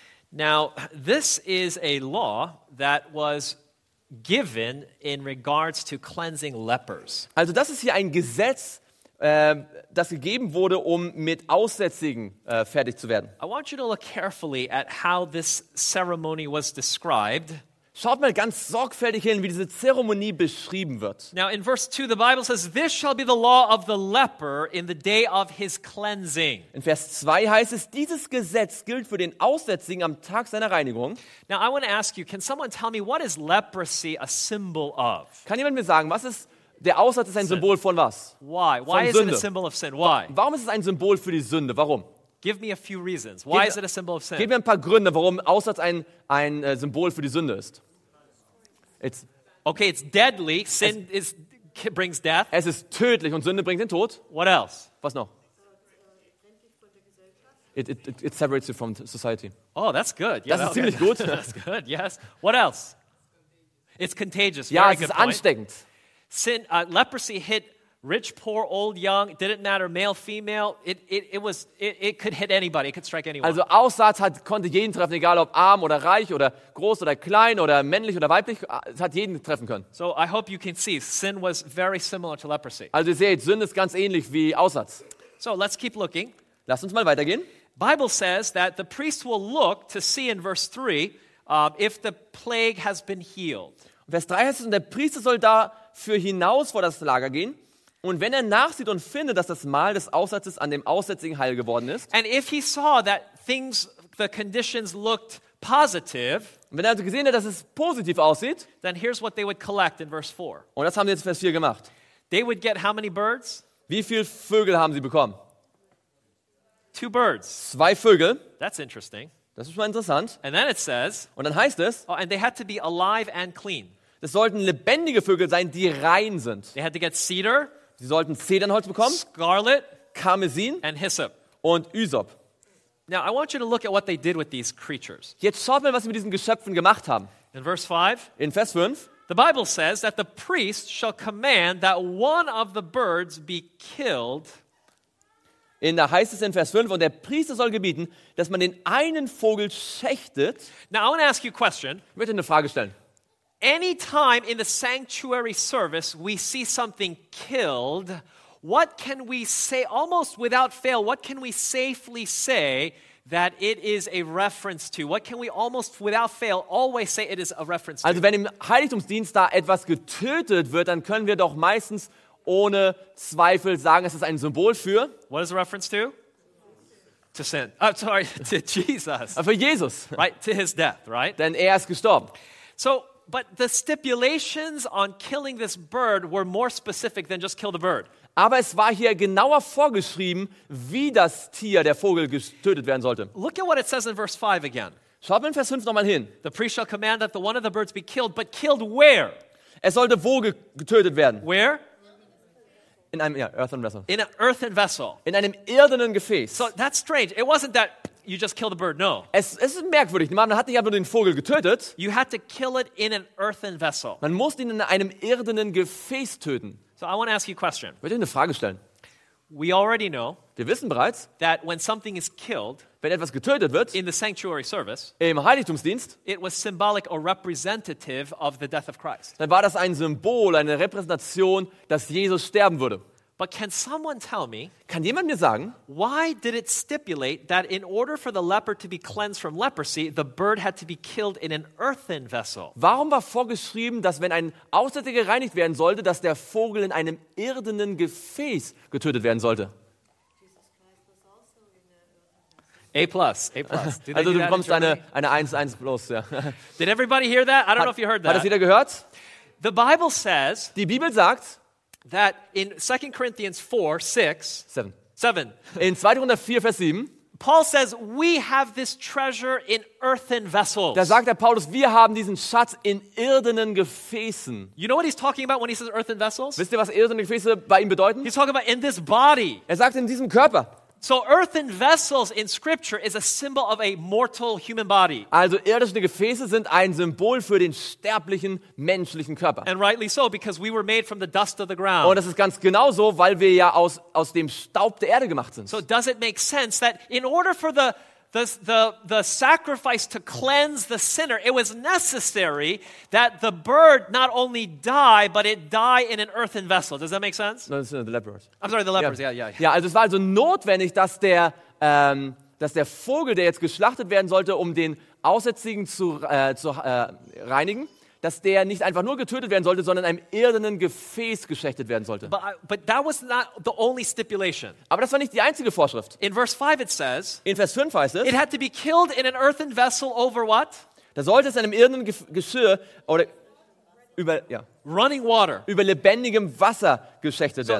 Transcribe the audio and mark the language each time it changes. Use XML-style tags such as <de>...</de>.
<en>Now, this is a law that was given in regards to cleansing lepers.</en> <de>Also das ist hier ein Gesetz, das gegeben wurde, um mit Aussätzigen fertig zu werden.</de> <en>I want you to look carefully at how this ceremony was described.</en> <de>Schaut mal ganz sorgfältig hin, wie diese Zeremonie beschrieben wird.</de> <en>Now in verse 2 the Bible says this shall be the law of the leper in the day of his cleansing.</en> <de>In Vers 2 heißt es, dieses Gesetz gilt für den Aussätzigen am Tag seiner Reinigung.</de> <en>Now I want to ask you, can someone tell me what is leprosy a symbol of?</en> <de>Kann jemand mir sagen, was ist der Aussatz ist ein Symbol von was?</de> <en>Why is it a symbol of sin? Why?</en> <de>Warum ist es ein Symbol für die Sünde? Warum?</de> <en>Give me a few reasons. Why is it a symbol of sin?</en> <de>Gib mir ein paar Gründe, warum Aussatz ein Symbol für die Sünde ist.</de> <en>It's deadly. Sin brings death.</en> <de>Es ist tödlich und Sünde bringt den Tod.</de> <en>What else?</en> <de>Was noch?</de> <en>It separates you from society. Oh, that's good.</en> <de>Yeah, das ist ziemlich gut.</de> <en>That's good. Yes. What else? It's contagious.</en> <de>Ja,</de> <en>very</en> <de>es ist ansteckend.</de> <en>Point. sin, leprosy hit rich, poor, old, young. It didn't matter, male, female. It could hit anybody. It could strike anyone.</en> <de>Also Aussatz hat konnte jeden treffen, egal ob arm oder reich oder groß oder klein oder männlich oder weiblich. Es hat jeden treffen können.</de> <en>So I hope you can see, sin was very similar to leprosy.</en> <de>Also ihr seht, Sünde ist ganz ähnlich wie Aussatz.</de> <en>So let's keep looking.</en> <de>Lass uns mal weitergehen.</de> <en>Bible says that the priest will look to see in verse 3 if the plague has been healed.</en> <de>Vers 3 heißt es, und der Priester soll dafür hinaus vor das Lager gehen, und wenn er nachsieht und findet, dass das Mal des Aussatzes an dem Aussätzigen heil geworden ist.</de> <en>And if he saw that things, the conditions looked positive,</en> <de>und wenn er also gesehen hat, dass es positiv aussieht,</de> <en>then here's what they would collect in verse 4.</en> <de>Und das haben sie jetzt in Vers 4 gemacht.</de> <en>They would get how many birds?</en> <de>Wie viele Vögel haben sie bekommen?</de> <en>Two birds.</en> <de>Zwei Vögel.</de> <en>That's interesting.</en> <de>Das ist mal interessant.</de> <en>And then it says,</en> <de>und dann heißt es,</de> <en>oh, and they had to be alive and clean.</en> <de>Das sollten lebendige Vögel sein, die rein sind.</de> <en>They had to get cedar.</en> <de>Sie sollten Zedernholz bekommen.</de> <en>Scarlet.</en> <de>Karmesin.</de> <en>And hyssop.</en> <de>Und Hyssop.</de> <en>Now I want you to look at what they did with these creatures.</en> <de>Jetzt schaut mal, was sie mit diesen Geschöpfen gemacht haben.</de> <en>In verse 5.</en> <de>In Vers 5.</de> <en>The Bible says that the priest shall command that one of the birds be killed.</en> <de>In da heißt es in Vers 5, und der Priester soll gebieten, dass man den einen Vogel schächtet.</de> <en>Now I want to ask you a question.</en> <de>Ich möchte eine Frage stellen.</de> <en>Any time in the sanctuary service we see something killed, what can we say almost without fail, what can we safely say that it is a reference to? What can we almost without fail always say it is a reference to?</en> <de>Also wenn im Heiligtumsdienst da etwas getötet wird, dann können wir doch meistens ohne Zweifel sagen, es ist ein Symbol für.</de> <en>What is a reference to? To sin. Oh, sorry, to Jesus.</en> <de>Für Jesus.</de> <en>Right, to his death, right?</en> <de>Denn er ist gestorben.</de> <en>So, but the stipulations on killing this bird were more specific than just kill the bird.</en> <de>Aber es war hier genauer vorgeschrieben, wie das Tier, der Vogel, getötet werden sollte.</de> <en>Look at what it says in verse 5 again.</en> <de>Schaut mal in Vers 5 nochmal hin.</de> <en>The priest shall command that the one of the birds be killed, but killed where?</en> <de>Es sollte wo getötet werden.</de> <en>Where?</en> <de>In einem, ja,</de> <en>earthen vessel. In an earthen vessel.</en> <de>In einem irdenen Gefäß.</de> <en>So that's strange. It wasn't that you just killed the bird. No.</en> <de>Es ist merkwürdig. Man hat nicht einfach den Vogel getötet.</de> <en>You had to kill it in an earthen vessel.</en> <de>Man musste ihn in einem irdenen Gefäß töten.</de> <en>So I want to ask you a question.</en> <de>Ich möchte eine Frage stellen.</de> <en>We already know.</en> <de>Wir wissen bereits,</de> <en>that when something is killed,</en> <de>wenn etwas getötet wird,</de> <en>in the sanctuary service,</en> <de>im Heiligtumsdienst,</de> <en>it was symbolic or representative of the death of Christ.</en> <de>Dann war das ein Symbol, eine Repräsentation, dass Jesus sterben würde.</de> <en>But can someone tell me?</en> <de>Kann jemand mir sagen,</de> <en>why did it stipulate that in order for the leper to be cleansed from leprosy, the bird had to be killed in an earthen vessel?</en> <de>Warum war vorgeschrieben, dass wenn ein Aussätziger gereinigt werden sollte, dass der Vogel in einem irdenen Gefäß getötet werden sollte?</de> <en>A plus.</en> <de>Also du bekommst eine 1 plus, ja.</de> <en>Did everybody hear that? I don't know if you heard that.</en> <de>Hat das jeder gehört?</de> <en>The Bible says.</en> <de>Die Bibel sagt.</de> <en>That in 2 Corinthians 4, 6. 7. 7.</en> <de>In 2. Korinther 4, Vers 7.</de> <en>Paul says, we have this treasure in earthen vessels.</en> <de>Da sagt der Paulus, wir haben diesen Schatz in irdenen Gefäßen.</de> <en>You know what he's talking about when he says earthen vessels?</en> <de>Wisst ihr, was irdene Gefäße bei ihm bedeuten?</de> <en>He's talking about in this body.</en> <de>Er sagt, in diesem Körper.</de> <en>So earthen vessels in scripture is a symbol of a mortal human body.</en> <de>Also irdische Gefäße sind ein Symbol für den sterblichen menschlichen Körper.</de> <en>And rightly so, because we were made from the dust of the ground.</en> <de>Und das ist ganz genauso, weil wir ja aus dem Staub der Erde gemacht sind.</de> <en>So does it make sense that in order for the sacrifice to cleanse the sinner, it was necessary that the bird not only die, but it die in an earthen vessel. Does that make sense? No, the lepers. I'm sorry, the lepers, yeah.</en> <de>Ja, also es war also notwendig, dass der Vogel, der jetzt geschlachtet werden sollte, um den Aussätzigen zu reinigen, dass der nicht einfach nur getötet werden sollte, sondern in einem irdenen Gefäß geschächtet werden sollte.</de> <en>But that was not the only stipulation.</en> <de>Aber das war nicht die einzige Vorschrift.</de> <en>In verse 5 it says,</en> <de>in Vers 5 heißt es,</de> <en>it had to be killed in an earthen vessel over what?</en> <de>Da sollte es in einem irdenen Geschirr oder über, ja,</de> <en>running water.</en> <de>Über lebendigem Wasser geschächtet werden.</de>